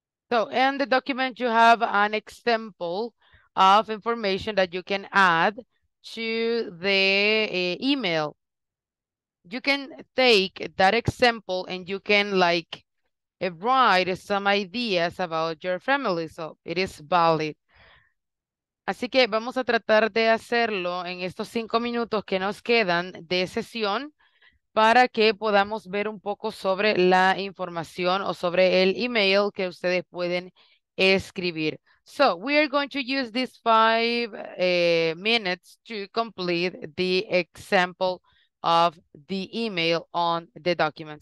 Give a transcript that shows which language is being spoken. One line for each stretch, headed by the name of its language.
English: So in the document, you have an example of information that you can add to the email. You can take that example and you can like write some ideas about your family. So it is valid.
Spanish: Así que vamos a tratar de hacerlo en estos 5 minutos que nos quedan de sesión para que podamos ver un poco sobre la información o sobre el email que ustedes pueden escribir.
English: So, we are going to use these 5 minutes to complete the example of the email on the document.